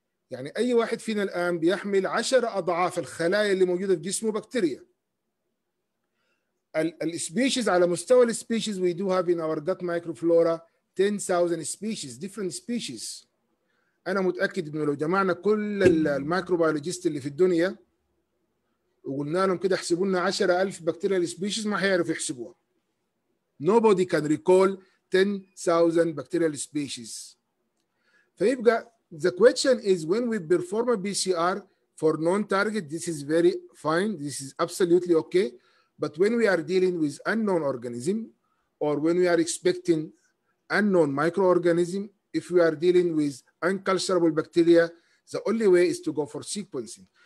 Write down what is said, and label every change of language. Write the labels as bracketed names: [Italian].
[Arabic] يعني أي واحد فينا الآن بيحمل 10 أضعاف الخلايا اللي موجودة في جسمه بكتيريا. [English] Species, [Arabic] على مستوى [English] species, we do have in our gut microflora 10,000 species, different species. [Arabic] أنا متأكد إنه لو جمعنا كل الميكروبيولوجيست اللي في الدنيا وقلنا لهم كده احسبوا لنا 10,000 bacterial species ما حيعرف يحسبوها. [English] Nobody can recall 10,000 bacterial species. فيبقى the question is when we perform a PCR for non-target, this is very fine, this is absolutely okay. But when we are dealing with unknown organism, or when we are expecting unknown microorganism, if we are dealing with unculturable bacteria, the only way is to go for sequencing.